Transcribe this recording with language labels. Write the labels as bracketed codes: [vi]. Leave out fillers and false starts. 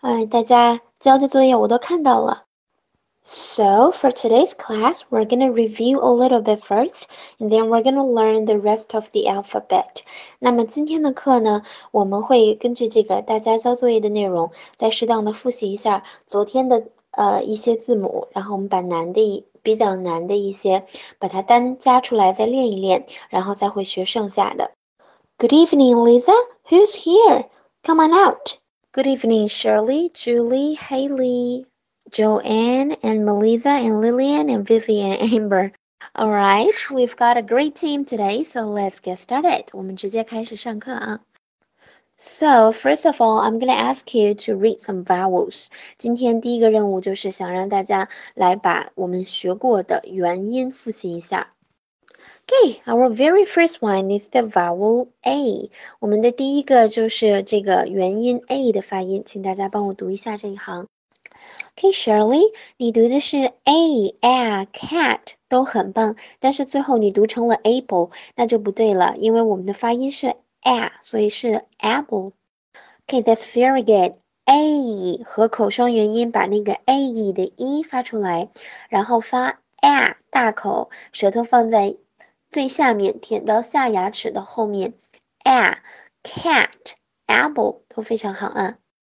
[zh] 大家交的作业我都看到了。 [en] So, for today's class, we're going to review a little bit first, and then we're going to learn the rest of the alphabet. [zh] 那么今天的课呢，我们会根据这个大家交作业的内容，再适当的复习一下昨天的一些字母，然后我们把难的比较难的一些把它单加出来再练一练，然后再会学剩下的。 [en] Good evening, Lisa. Who's here? Come on out. Good evening, Shirley, Julie, Haley, Joanne, and Melissa, and Lillian, and Vivian, and Amber. All right, we've got a great team today, so let's get started. [zh] 我们直接开始上课啊。 [en] So, first of all, I'm going to ask you to read some vowels. [zh] 今天第一个任务就是想让大家来把我们学过的元音复习一下。 [en] Okay, our very first one is the vowel A. [zh] 我们的第一个就是这个元音 A 的发音，请大家帮我读一下这一行。 Okay, Shirley, 你读的是 A, air, cat, 都很棒，但是最后你读成了 able, 那就不对了，因为我们的发音是 air, 所以是 able. [en] Okay, that's very good. A, [zh] 和口双元音把那个 A 的 E 发出来，然后发 air, 大口，舌头放在最下面，舔到下牙齿的后面， air, cat, able, 都非常好啊。